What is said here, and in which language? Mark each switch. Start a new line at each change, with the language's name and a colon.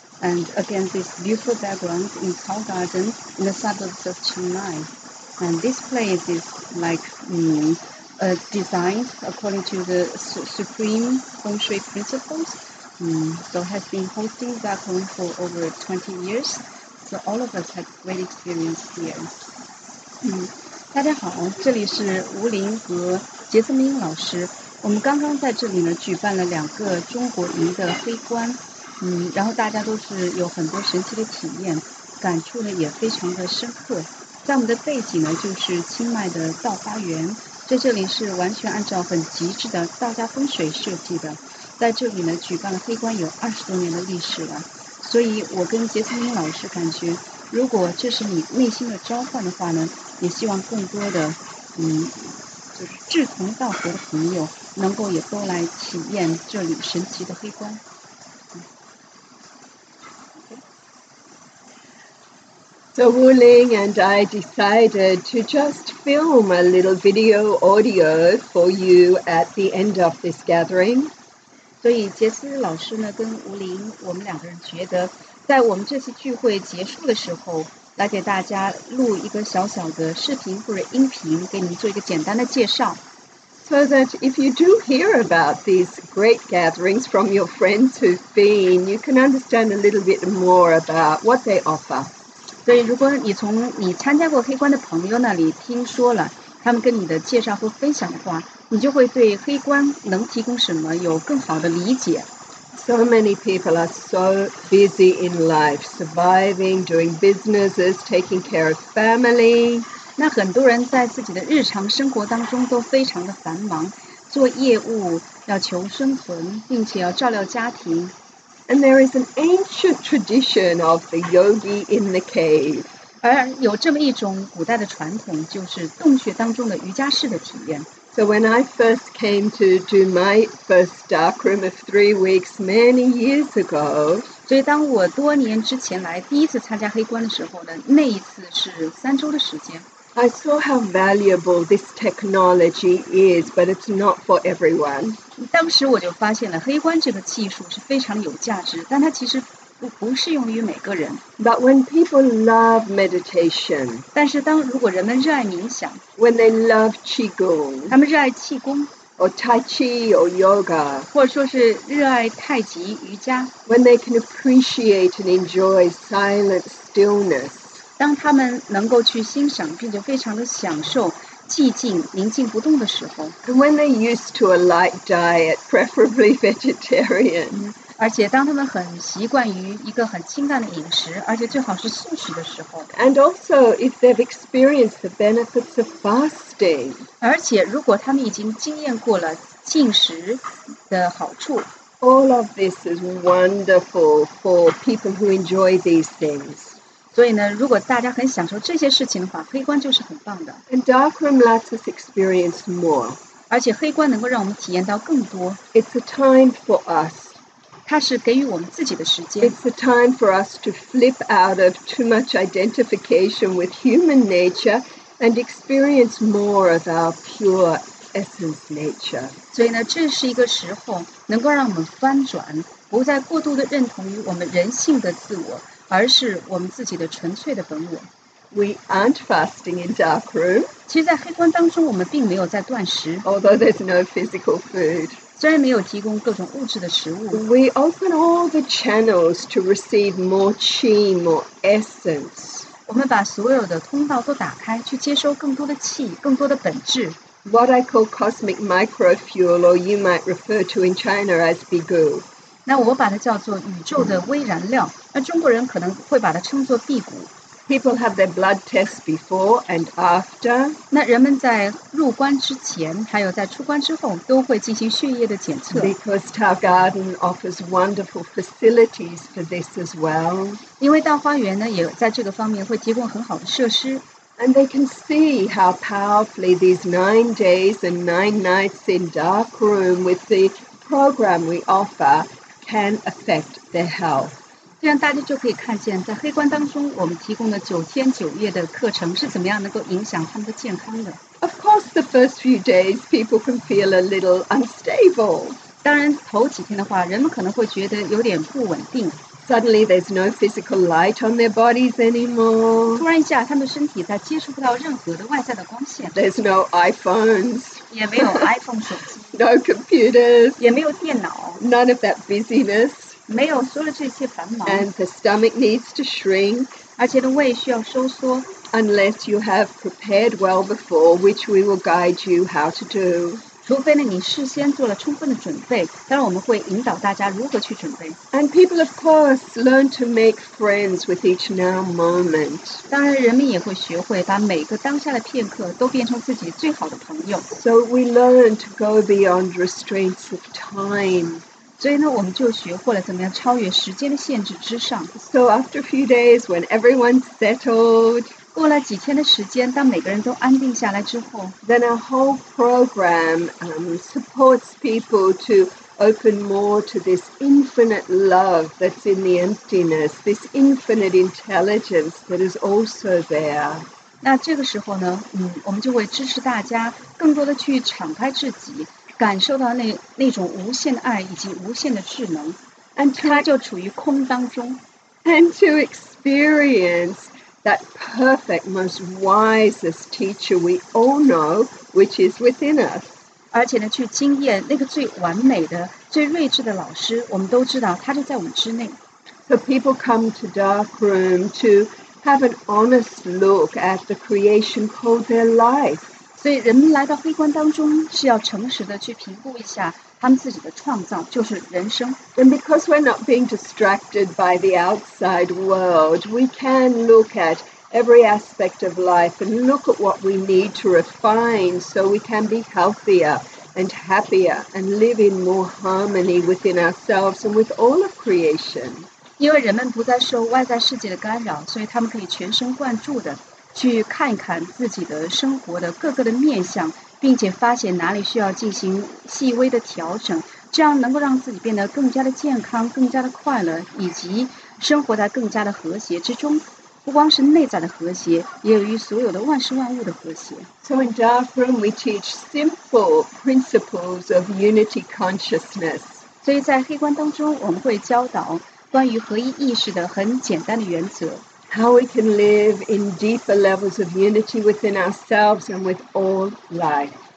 English: And again, this beautiful background in Cow Garden in the suburbs of Chiang Mai. And this place is like designed according to the supreme feng shui principles. So has been hosting Garden for over 20 years. So all of us had great experience here.
Chinese: 大家好，这里是吴林和杰森明老师。我们刚刚在这里呢举办了两个中国营的黑观，然后大家都是有很多神奇的体验，感触呢也非常的深刻。在我们的背景呢就是清迈的稻花园，在这里是完全按照很极致的道家风水设计的，在这里呢举办了黑观有20多年的历史了。所以我跟杰森明老师感觉，如果这是你内心的召唤的话呢，也希望更多的就是志同道合的朋友能够也都来体验这里神奇的黑观。
English: So Wu Ling and I decided to just film a little video audio for you at the end of this gathering.
Chinese: 所以杰斯老师呢跟吴林，我们两个人觉得，在我们这次聚会结束的时候，来给大家录一个小小的视频或者音频，给你们做一个简单的介绍。
English: So that if you do hear about these great gatherings from your friends who've been, you can understand a little bit more about what they offer.
Chinese: 所以如果你从你参加过黑观的朋友那里听说了他们跟你的介绍和分享的话，你就会对黑观能提供什么有更好的理解。
English: So many people are so busy in life, surviving, doing businesses, taking care of family.
Chinese: 那很多人在自己的日常生活当中都非常的繁忙，做业务，要求生存，并且要照料家庭。
English: And there is an ancient tradition of the yogi in the cave.
Chinese: 而有这么一种古代的传统，就是洞穴当中的瑜伽式的体验。
English: So when I first came to do my first dark room of 3 weeks many years ago,
Chinese: 所以当我多年之前来第一次参加黑观的时候呢，那一次是3周的时间。
English: I saw how valuable this technology is, but it's not for everyone.
Chinese: 当时我就发现了黑观这个技术是非常有价值，但它其实不适用于每个人。
English: But when people love meditation,
Chinese: 但是当如果人们热爱冥想
English: ，when they love qigong,
Chinese: 他们热爱气功
English: ，or tai chi or yoga,
Chinese: 或者说是热爱太极瑜伽
English: ，when they can appreciate and enjoy silent stillness.
Chinese: 当他们能够去欣赏并且非常的享受寂静宁静不动的时候
English: And when they used to a light diet, preferably vegetarian.
Chinese: 而且当他们很习惯于一个很清淡的饮食而且最好是素食的时候
English: And also if they've experienced the benefits of fasting.
Chinese: 而且如果他们已经经验过了禁食的好处
English: All of this is wonderful for people who enjoy these things.
Chinese: 所以呢，如果大家很享受这些事情的话，黑观就是很棒的。
English: And dark room lets us experience more.
Chinese: 而且黑观能够让我们体验到更多。
English: It's a time for us.
Chinese: 它是给予我们自己的时间。
English: It's a time for us to flip out of too much identification with human nature and experience more of our pure essence nature.
Chinese: 所以呢，这是一个时候能够让我们翻转，不再过度的认同于我们人性的自我。而是我们自己的纯粹的本我。
English: We aren't fasting in dark room.
Chinese: 其实在黑观当中我们并没有在断食。
English: Although there's no physical food.
Chinese: 虽然没有提供各种物质的食物。
English: We open all the channels to receive more qi, more essence.
Chinese: 我们把所有的通道都打开去接收更多的气更多的本质。
English: What I call cosmic microfuel or you might refer to in China as bigu.
Chinese: 那我把它叫做宇宙的微燃料，那中国人可能会把它称作辟谷。
English: People have their blood tests before and after.
Chinese: 那人们在入关之前，还有在出关之后，都会进行血液的检测。
English: Because Tao Garden offers wonderful facilities for this as well.
Chinese: 因为大花园呢，也在这个方面会提供很好的设施。
English: And they can see how powerfully these 9 days and 9 nights in dark room with the program we offer can affect their health.
Chinese: 这样大家就可以看见，在黑关当中，我们提供的9天9夜的课程是怎么样能够影响他们的健康的。
English: Of course, the first few days, people can feel a little unstable.
Chinese: 当然，头几天的话，人们可能会觉得有点不稳定。
English: Suddenly, there's no physical light on their bodies anymore.
Chinese: 突然一下，他们身体在接触不到任何的外在的光线。
English: There's no iPhones.
Chinese: 也没有 iPhone 手机。
English: No computers.
Chinese: 也没有电脑。
English: None of that busyness.
Chinese: 没有所有这些繁忙
English: and the stomach needs to shrink
Chinese: 而且的胃需要收缩
English: unless you have prepared well before which we will guide you how to do
Chinese: 除非呢你事先做了充分的准备当然我们会引导大家如何去准备
English: and people of course learn to make friends with each now moment
Chinese: 当然人们也会学会把每个当下的片刻都变成自己最好的朋友
English: so we learn to go beyond restraints of time
Chinese: 所以呢，我们就学会了怎么样超越时间的限制之上。
English: So after a few days, when everyone's settled,
Chinese: 过了几天的时间，当每个人都安定下来之后
English: ，then a whole program supports people to open more to this infinite love that's in the emptiness, this infinite intelligence that is also there.
Chinese: 那这个时候呢，我们就会支持大家更多的去敞开自己。感受到那种无限的爱以及无限的智能，它就处于空当中。
English: And to experience that perfect, most wisest teacher we all know, which is within us.
Chinese: 而且呢，去经验那个最完美的、最睿智的老师，我们都知道，他就在我们之内。
English: So people come to dark room to have an honest look at the creation called their life.
Chinese: 所以人们来到黑关当中是要诚实的去评估一下他们自己的创造就是人生
English: And because we're not being distracted by the outside world we can look at every aspect of life and look at what we need to refine so we can be healthier and happier and live in more harmony within ourselves and with all of creation
Chinese: 因为人们不再受外在世界的干扰所以他们可以全神贯注的去看一看自己的生活的各个的面向并且发现哪里需要进行细微的调整这样能够让自己变得更加的健康更加的快乐以及生活在更加的和谐之中不光是内在的和谐也有与所有的万事万物的和谐
English: So in dark room we teach simple principles of unity consciousness
Chinese: 所以在黑关当中我们会教导关于合一意识的很简单的原则
English: How we can live in deeper levels of unity within ourselves and with all life.